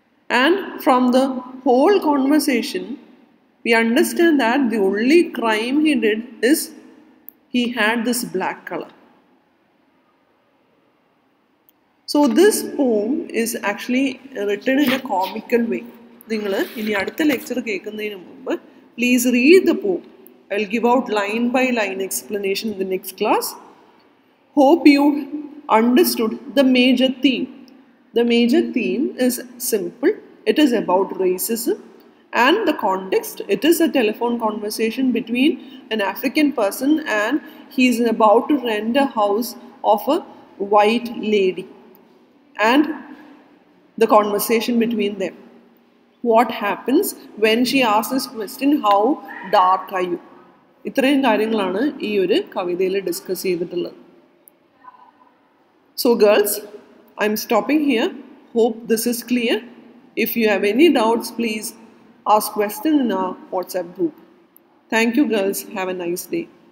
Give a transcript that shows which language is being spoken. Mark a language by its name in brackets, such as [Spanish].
[English] And from the whole conversation, we understand that the only crime he did is he had this black color. So this poem is actually written in a comical way. [Malayalam] നിങ്ങള് ഇനി അടുത്ത lecture കേൾക്കുന്നതിന് മുമ്പ് [English] Please read the poem. I will give out line by line explanation in the next class. Hope you understood the major theme. The major theme is simple. It is about racism and the context. It is a telephone conversation between an African person and he is about to rent a house of a white lady. And the conversation between them. What happens when she asks this question, how dark are you? [Malayalam] ഇത്രയും കാര്യങ്ങളാണ് ഈ ഒരു കവിതയിൽ discuss ചെയ്തിട്ടുള്ളത്. [English] So girls, I am stopping here. Hope this is clear. If you have any doubts please ask question in a WhatsApp group. Thank you girls, have a nice day.